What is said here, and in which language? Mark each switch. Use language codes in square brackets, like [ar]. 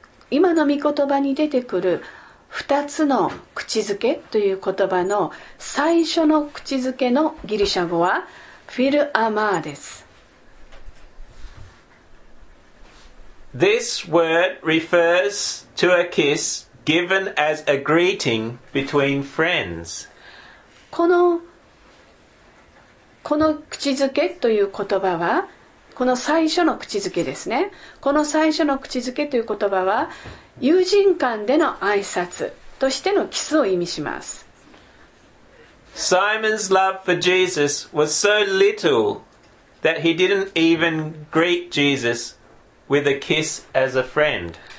[ja] 今の御言葉に出てくる二つの口づけという言葉の最初の口づけのギリシャ語はフィルアマーです。 [en] This word refers to a kiss given as a greeting between friends. [ja] この口づけという言葉は、この最初の口づけですね。この最初の口づけという言葉は、友人間での挨拶としてのキスを意味します。 [en] Simon's love for Jesus was so little that he didn't even greet Jesus with a kiss as a friend.